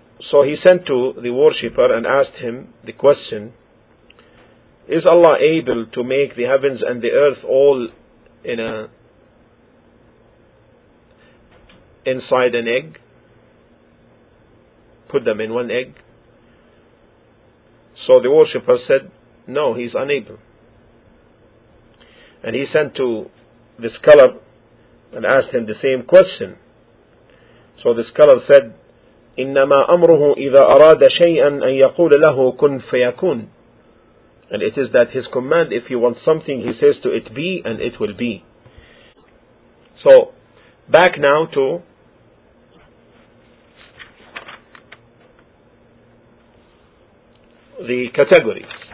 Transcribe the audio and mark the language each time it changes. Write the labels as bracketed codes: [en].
[en] So he sent to the worshipper and asked him the question, is Allah able to make the heavens and the earth all inside an egg? Put them in one egg? So the worshipper said, no, he's unable. And he sent to the scholar and asked him the same question. So the scholar said, [ar] إِنَّمَا أَمْرُهُ إِذَا أَرَادَ شَيْئًا أَن يَقُولَ لَهُ كُنْ فَيَكُونَ. [en] And it is that his command, if he wants something, he says to it, be, and it will be. So, back now to the categories.